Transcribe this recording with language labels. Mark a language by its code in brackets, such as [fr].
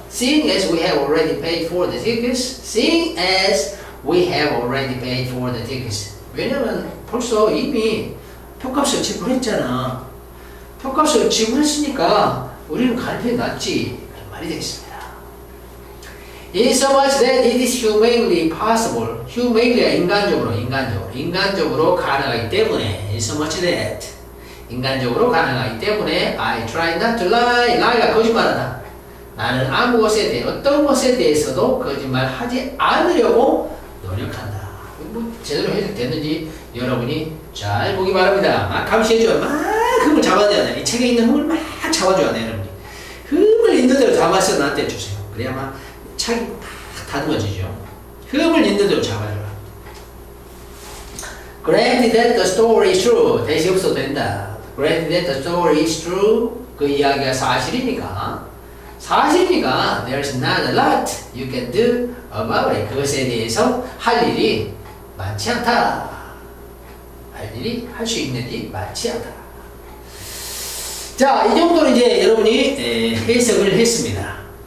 [en] Seeing as we have already paid for the tickets. Seeing as we have already paid for the tickets. [ko] 왜냐면 벌써 이미 표값을 지불했잖아. 표값을 지불했으니까 우리는 갈 필요 낫지. 그런 말이 되겠습니다. [en] Insomuch that it is humanly possible. [ko] Humanly 인간적으로, 인간적으로, 인간적으로 가능하기 때문에. [en] Insomuch that [ko] 인간적으로 가능하기 때문에 [en] I try not to lie. [ko] Lie가 거짓말하다. 나는 아무 것에 대해 어떤 것에 대해서도 거짓말 하지 않으려고 노력한다. 뭐 제대로 해도 되는지 여러분이 잘 보기 바랍니다. 막 감시해줘야 막 흠을 잡아줘야 돼. 이 책에 있는 흠을 막 잡아줘야 돼 여러분이. 흠을 있는 대로 잡아서 나한테 주세요. 그래야 막 책이 막 다듬어지죠. 흠을 있는 대로 잡아줘라. [en] Granted that the story is true. [ko] 대신 없어도 된다. [en] Granted that the story is true. [ko] 그 이야기가 사실입니까? 사실이니까 [en] there's not a lot you can do about it. [ko] 그것에 대해서 할 일이 많지 않다. 할 일이 할 수 있는 일이 많지 않다. 자, 이 정도로 이제 여러분이 해석을 했습니다.